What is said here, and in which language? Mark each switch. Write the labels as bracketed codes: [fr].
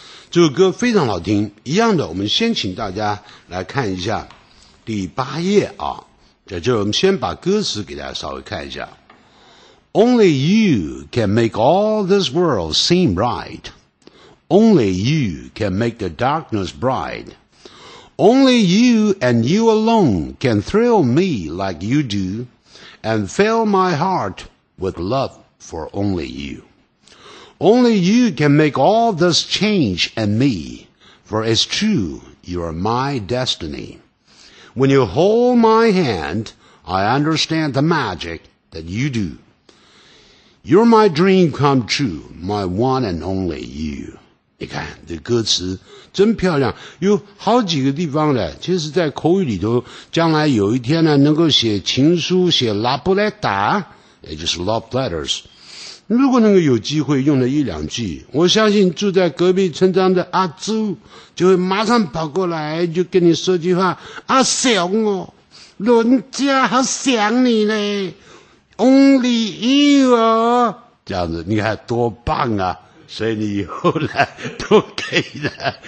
[zh] 这首歌非常好听，一样的我们先请大家来看一下第八页啊，在这我们先把歌词给大家稍微看一下。 [en] Only you can make all this world seem right. Only you can make the darkness bright. Only you and you alone can thrill me like you do and fill my heart with love for only you. Only you can make all this change in me, for it's true, you are my destiny. When you hold my hand, I understand the magic that you do. You're my dream come true, my one and only you. [zh] 你看这歌词真漂亮，有好几个地方的，其实在口语里头将来有一天呢，能够写情书写 La Poleta， 也就是 Love Letters，如果能够有机会用了一两句，我相信住在隔壁村庄的阿朱就会马上跑过来就跟你说句话，阿雄哦，伦家好想你呢， [en] Only you [zh] 哦，这样子你看多棒啊，所以你以后来都可以的。